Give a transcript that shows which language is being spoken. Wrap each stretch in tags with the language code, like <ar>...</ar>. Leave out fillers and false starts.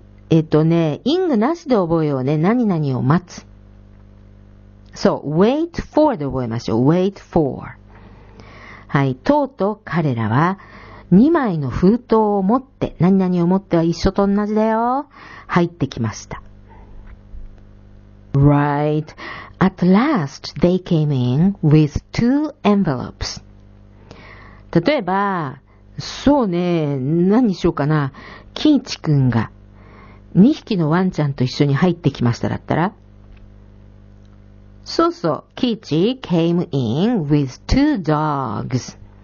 <ja>イングなしで覚えようね。何々を待つ。そう、wait for で覚えましょう。wait for。はい、とうとう彼らは2枚の封筒を持って、何々を持っては一緒と同じだよ。入ってきました。</ja> <en>Right. At last, they came in with two envelopes.</en> <ja>例えば、そうね、何にしようかな。キイチ君が2匹のワンちゃんと一緒に入ってきましただったら。そうそう、</ja> <en>キイチ came in with two dogs.</en>